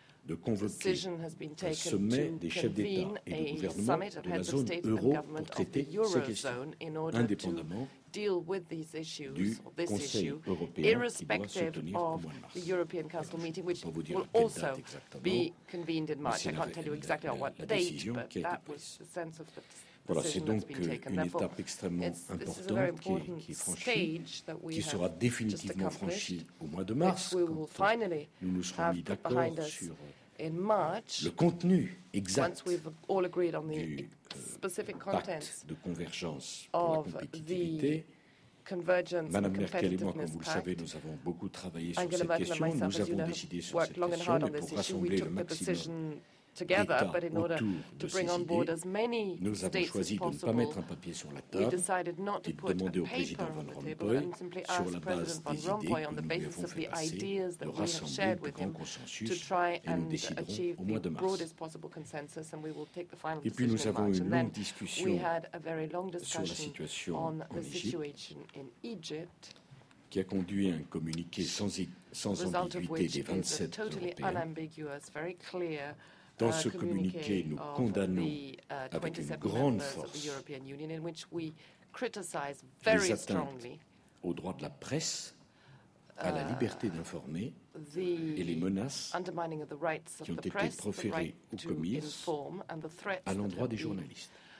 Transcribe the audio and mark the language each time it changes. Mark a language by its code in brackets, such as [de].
[en] the decision has been taken to convene a summit of heads of state and government of the Eurozone in order to deal with these issues, this issue, irrespective of the European Council meeting, which will also be convened in March. I can't tell you exactly on what date, but that was the sense of the. [fr] Voilà, c'est donc une étape extrêmement importante qui est franchie, qui sera définitivement franchie au mois de mars, quand nous nous serons mis d'accord sur le contenu exact du pacte de convergence pour la compétitivité. Madame Merkel et moi, comme vous le savez, nous avons beaucoup travaillé sur cette question, nous avons décidé sur cette question, et pour rassembler le maximum [en] together, but in order to bring on board as many states as possible, we decided not to put a paper on the table and simply ask President Van Rompuy on the basis of the ideas that we have shared with him to try and achieve the broadest possible consensus, and we will take the final decision in March. And then we had a very long discussion on the situation in Egypt, [fr] qui a conduit un communiqué sans ambiguïté des 27 Européens. Dans ce communiqué, nous condamnons avec une grande force les atteintes aux droits de la presse, à la liberté d'informer et les menaces qui ont été proférées ou commises à l'endroit des journalistes.